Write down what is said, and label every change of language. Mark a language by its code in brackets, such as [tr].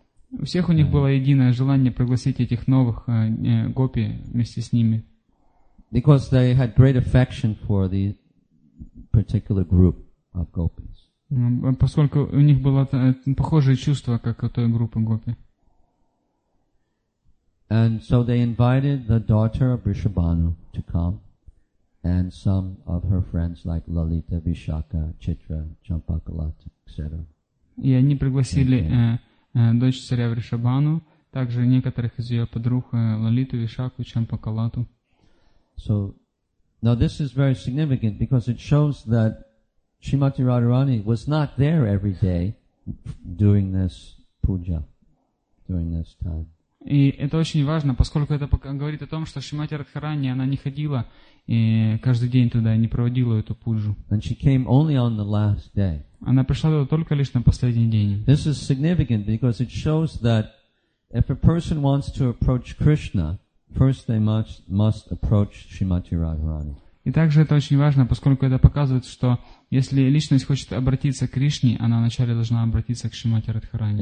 [ru] У всех у них было единое желание пригласить этих новых гопи вместе с ними. [en] Because they had great affection for the particular group of gopis. [ru] Поскольку у них было похожее чувство, как у той группы гопи. [en] And so they invited the daughter of Vrishabhanu to come and some of her friends like Lalita, Vishaka, Chitra, Champakalata, etc. [ru] И они пригласили дочь царя Вришабану, также некоторых из ее подруг Лалиту, Вишаку, Чампакалату. [en] So, now this is very significant because it shows that Shrimati Radharani was not there every day during this puja, during this time. [ru] И это очень важно, поскольку это говорит о том, что Шримати Радхарани, она не ходила каждый день туда, не проводила эту пуджу. [en] And she came only on the last day. [ru] Она пришла туда только лишь на последний день. [en] This is significant because it shows that if a person wants to approach Krishna, first they must approach Shrimati Radharani. [ru] И также это очень важно, поскольку это показывает, что если личность хочет обратиться к Кришне, она вначале должна обратиться к Шримати Радхарани.